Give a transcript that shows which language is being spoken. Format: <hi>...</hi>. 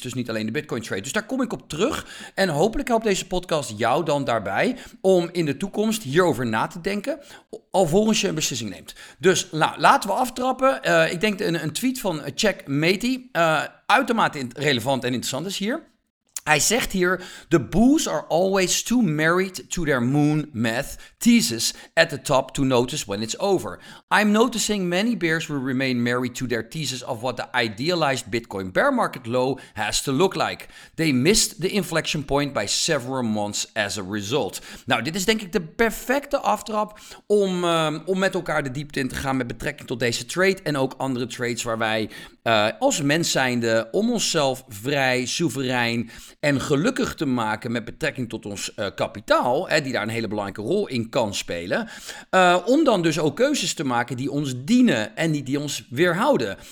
<nl>Dus niet alleen de Bitcoin trade. Dus daar kom ik op terug. En hopelijk helpt deze podcast jou dan daarbij om in de toekomst hierover na te denken, alvorens je een beslissing neemt. Dus laten we aftrappen. Ik denk een tweet van Jack Mati, uitermate relevant en interessant is hier. Hij zegt hier:</nl> <en>the bulls are always too married to their moon math thesis at the top to notice when it's over. I'm noticing many bears will remain married to their thesis of what the idealized Bitcoin bear market low has to look like. They missed the inflection point by several months as a result.</en> <nl>Nou, dit is denk ik de perfecte aftrap om met elkaar de diepte in te gaan met betrekking tot deze trade en ook andere trades waar wij als mens zijnde om onszelf vrij, soeverein en gelukkig te maken met betrekking tot ons kapitaal, hè, die daar een hele belangrijke rol in kan spelen, om dan dus ook keuzes te maken die ons dienen en niet die ons weerhouden.</nl>